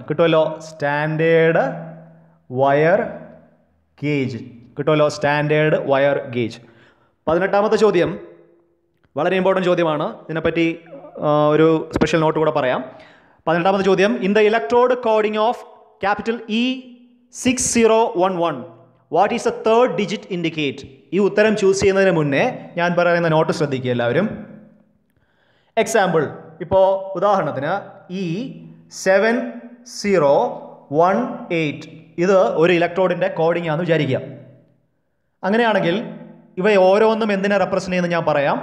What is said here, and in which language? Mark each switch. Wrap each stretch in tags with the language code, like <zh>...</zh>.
<ml>കിട്ടുമല്ലോ, standard wire gauge. കിട്ടുമല്ലോ, standard wire gauge. 18th ചോദ്യം വളരെ ഇമ്പോർട്ടൻ്റ് ചോദ്യമാണ്. ഇതിനെപ്പറ്റി ഒരു സ്പെഷ്യൽ നോട്ട് കൂടെ പറയാം. 18th ചോദ്യം.</ml> <en>In the electrode coding of capital E 6011. What is the third digit indicate?</en> <ml>ഈ ഉത്തരം ചൂസ് ചെയ്യുന്നതിന് മുന്നേ ഞാൻ പറയുന്ന നോട്ട് ശ്രദ്ധിക്കുക എല്ലാവരും. എക്സാമ്പിൾ, ഇപ്പോൾ ഉദാഹരണത്തിന് ഈ 7018 ഇത് ഒരു ഇലക്ട്രോഡിൻ്റെ കോഡിംഗ് ആണെന്ന് വിചാരിക്കുക. അങ്ങനെയാണെങ്കിൽ ഇവ ഓരോന്നും എന്തിനെ റെപ്രസെൻ്റ് ചെയ്യുന്നു ഞാൻ പറയാം.</ml>